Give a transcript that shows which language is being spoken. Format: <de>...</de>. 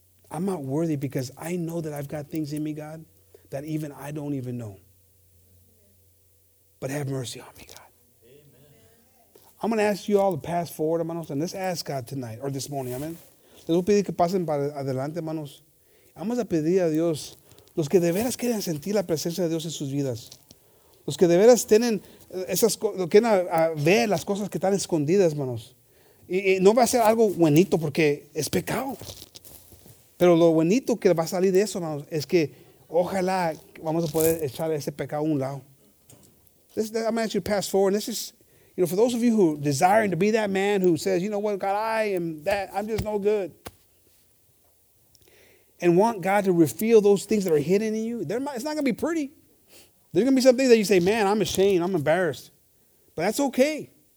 <en>I'm not worthy because I know that I've got things in me, God, that even I don't even know. But have mercy on me, God. Amen. I'm going to ask you all to pass forward, hermanos, and let's ask God tonight, or this morning, amen.</en> <es>Les voy a pedir que pasen para adelante, hermanos. Vamos a pedir a Dios, los que de veras quieren sentir la presencia de Dios en sus vidas, los que de veras tienen esas cosas, quieren ver las cosas que están escondidas, hermanos. Y no va a ser algo buenito porque es pecado. Pero lo bonito que va a salir de eso, hermanos, es que ojalá vamos a poder echar ese pecado a un lado.</es> <en>I'm going to ask you to pass forward. This is, for those of you who are desiring to be that man who says, you know what, God, I am that. I'm just no good. And want God to reveal those things that are hidden in you. It's not going to be pretty. There's going to be some things that you say, man, I'm ashamed. I'm embarrassed. But that's okay.</en>